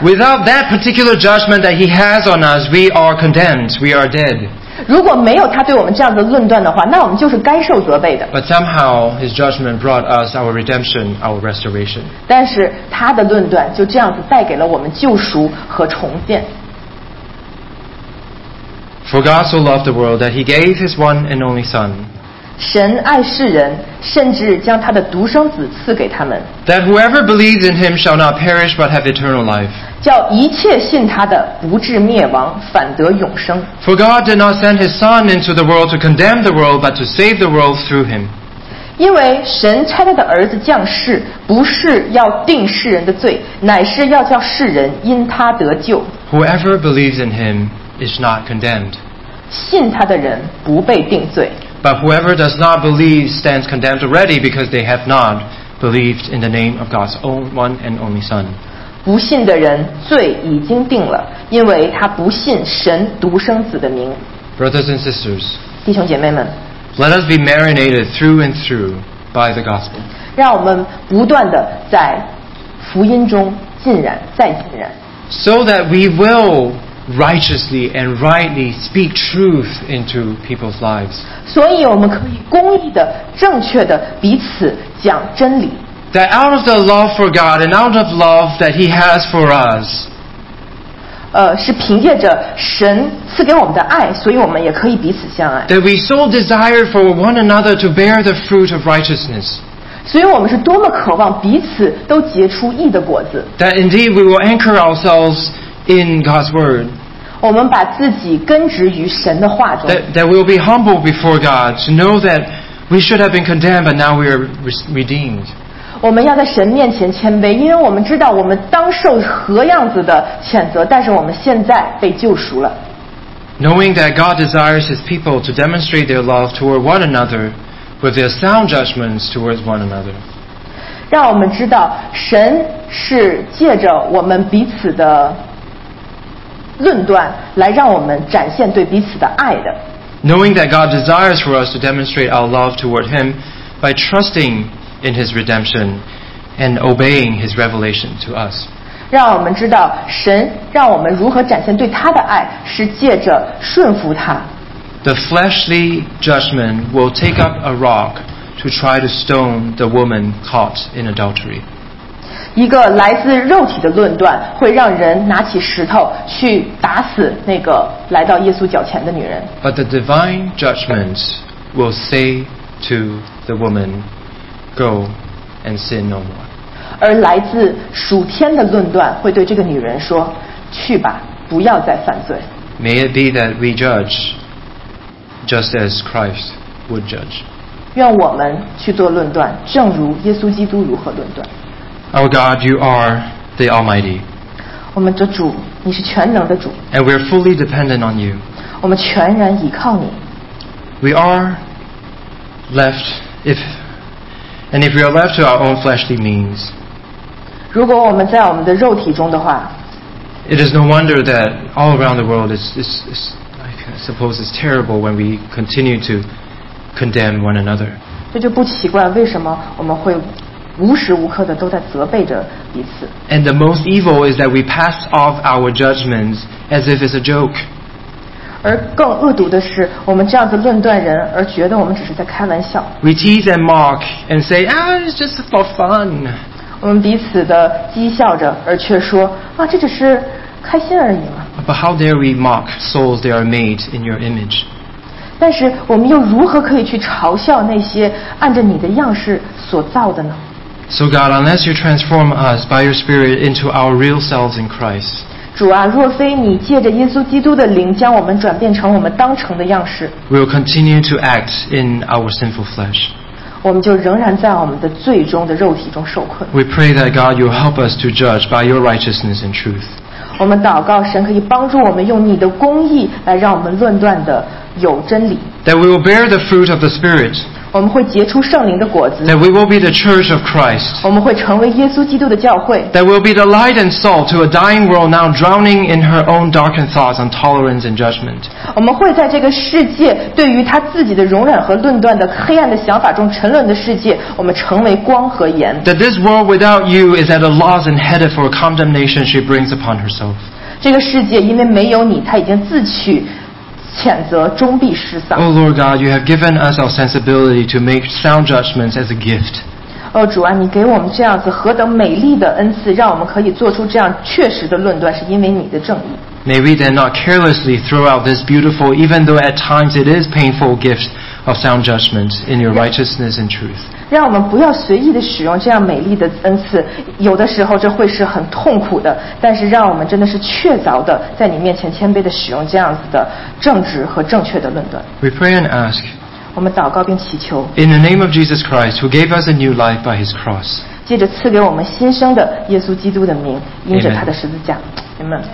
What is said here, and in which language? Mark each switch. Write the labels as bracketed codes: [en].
[en] Without that particular judgment that he has on us, we are condemned, we are dead. [zh] 如果没有他对我们这样子的论断的话，那我们就是该受责备的。 [en] But somehow his judgment brought us our redemption, our restoration. [zh] 但是他的论断就这样子带给了我们救赎和重建。 [en] For God so loved the world that he gave his one and only Son. [zh] 神爱世人，甚至将他的独生子赐给他们。 [en] That whoever believes in him shall not perish but have eternal life. [zh] 叫一切信他的不至灭亡，反得永生。 [en] For God did not send his Son into the world to condemn the world but to save the world through him. [zh] 因为神差他的儿子降世，不是要定世人的罪，乃是要叫世人因他得救。 [en] Whoever believes in him is not condemned. [zh] 信他的人不被定罪。 [en] But whoever does not believe stands condemned already because they have not believed in the name of God's own one and only Son. [zh] 不信的人罪已经定了，因为他不信神独生子的名。 [en] Brothers and sisters, [zh] 弟兄姐妹们， [en] let us be marinated through and through by the gospel. [zh] 让我们不断地在福音中浸染，再浸染。 [en] So that we will righteously and rightly speak truth into people's lives. [zh] 所以我们可以公义地、正确地彼此讲真理。 [en] That out of the love for God and out of love that He has for us, [zh] 是凭借着神赐给我们的爱，所以我们也可以彼此相爱。 [en] That we so desire for one another to bear the fruit of righteousness. [zh] 所以我们是多么渴望彼此都结出义的果子。 [en] That indeed we will anchor ourselves in God's word. [zh] 我们把自己根植于神的话中。 [en] That we will be humble before God to know that we should have been condemned, but now we are redeemed. [zh] 我们要在神面前谦卑，因为我们知道我们当受何样子的谴责，但是我们现在被救赎了。 [en] Knowing that God desires His people to demonstrate their love toward one another with their sound judgments towards one another. [zh] 让我们知道神是借着我们彼此的论断来让我们展现对彼此的爱的。 [en] Knowing that God desires for us to demonstrate our love toward Him by trusting. In His redemption and obeying His revelation to us. [zh] 让我们知道神让我们如何展现对他的爱是借着顺服他。 [en] The fleshly judgment will take up a rock to try to stone the woman caught in adultery. [zh] 一个来自肉体的论断会让人拿起石头去打死那个来到耶稣脚前的女人。 [en] But the divine judgment will say to the woman,Go and sin no more. [zh] 而来自属天的论断会对这个女人说：“去吧，不要再犯罪。” [en] May it be that we judge just as Christ would judge. [zh] 愿我们去做论断，正如耶稣基督如何论断。 [en] Our God, you are the Almighty. [zh] 我们的主，你是全能的主。 [en] And we are fully dependent on you. [zh] 我们全然倚靠你。 [en] We are left if. And if we are left to our own fleshly means, [zh] 如果我们在我们的肉体中的话, [en] it is no wonder that all around the world is, I suppose, is terrible when we continue to condemn one another. [zh] 这就不奇怪为什么我们会无时无刻的都在责备着彼此。 [en] And the most evil is that we pass off our judgments as if it's a joke. [zh] 而更恶毒的是，我们这样子论断人，而觉得我们只是在开玩笑。 [en] We tease and mock and say, it's just for fun. [zh] 我们彼此的讥笑着，而却说，这只是开心而已嘛。 [en] But how dare we mock souls that are made in your image? [zh] 但是我们又如何可以去嘲笑那些按着你的样式所造的呢？ [en] So God, unless you transform us by your Spirit into our real selves in Christ. [zh] 主啊，若非你借着耶稣基督的灵将我们转变成我们当成的样式， [en] We will continue to act in our sinful flesh. [zh] 我们就仍然在我们的罪中的肉体中受困。 [en] We pray that God you help us to judge by your righteousness and truth. [zh] 我们祷告神可以帮助我们用你的公义来让我们论断的有真理。 [en] That we will bear the fruit of the Spirit. [zh] 我们会结出圣灵的果子。 [en] That we will be the church of Christ. [zh] 我们会成为耶稣基督的教会。 [en] That we will be the light and salt to a dying world now drowning in her own darkened thoughts on tolerance and judgment. [zh] 我们会在这个世界对于他自己的容忍和论断的黑暗的想法中沉沦的世界，我们成为光和盐。 [en] That this world without you is at a loss and headed for a condemnation she brings upon herself. [zh] 这个世界因为没有你，他已经自取。谴责终必失丧。 [en] Oh Lord God, you have given us our sensibility to make sound judgments as a gift. [zh] 哦主啊，你给我们这样子何等美丽的恩赐，让我们可以做出这样确实的论断，是因为你的正义。 [en] May we then not carelessly throw out this beautiful, even though at times it is painful, gift of sound judgments in your righteousness and truth. [zh] 让我们不要随意的使用这样美丽的恩赐，有的时候这会是很痛苦的，但是让我们真的是确凿的在你面前谦卑的使用这样子的正直和正确的论断。 [en] We pray and ask. [zh] 我们祷告并祈求。 [en] In the name of Jesus Christ, who gave us a new life by His cross. [zh] 借着赐给我们新生的耶稣基督的名，因着他的十字架。Amen.